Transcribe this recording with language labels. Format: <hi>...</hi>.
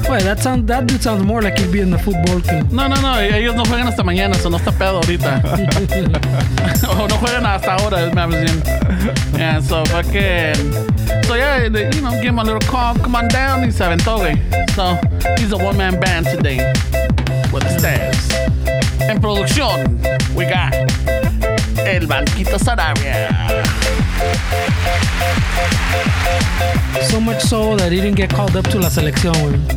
<en>Wait, that dude sounds more like he'd be in the football team.</en> <es>No, ellos no juegan hasta mañana, eso no está pedo ahorita. O no juegan hasta ahora, es más bien.</es> <en>Yeah, so fucking. So yeah, you know, give him a little call, come on down,</en> <es>y se aventó, güey.</es> <en>So he's a one man band today with the Steps.</en> <es>En producción,</es> <en>we got</en> <es>El Banquito Sarabia.</es> <en>So much so that he didn't get called up to la selección, güey.</en>